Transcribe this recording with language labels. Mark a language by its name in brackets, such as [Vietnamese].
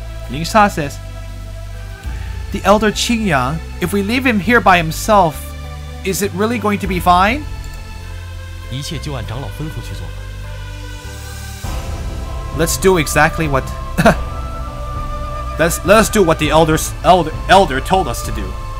[English] Ling Sha says, the elder Qingyang, if we leave him here by himself, is it really going to be fine? [Chinese] 一切就按长老吩咐去做吧。 [English] Let's do exactly what... Let's do what the elder told us to do.